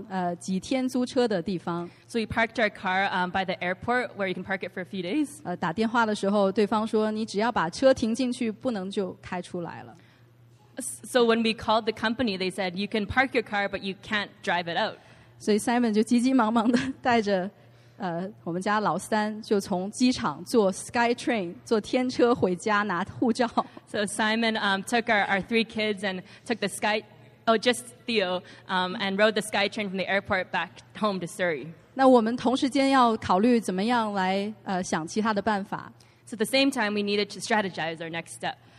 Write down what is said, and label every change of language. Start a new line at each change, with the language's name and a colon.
Chinese: 我们把车停在了一个机场旁，几天租车的地方。
English: So we parked our car by the airport where you can park it for a few days.
Chinese: 打电话的时候，对方说你只要把车停进去，不能就开出来了。
English: So when we called the company, they said you can park your car, but you can't drive it out.
Chinese: 所以 Simon 就急急忙忙的带着我们家老三，就从机场坐 SkyTrain 坐天车回家拿护照。
English: So Simon took our three kids and took the Sky. Oh, just Theo, and rode the SkyTrain from the airport back home to Surrey.
Chinese: 那我们同时间要考虑怎么样来想其他的办法。
English: So at the same time, we needed to strategize our next step.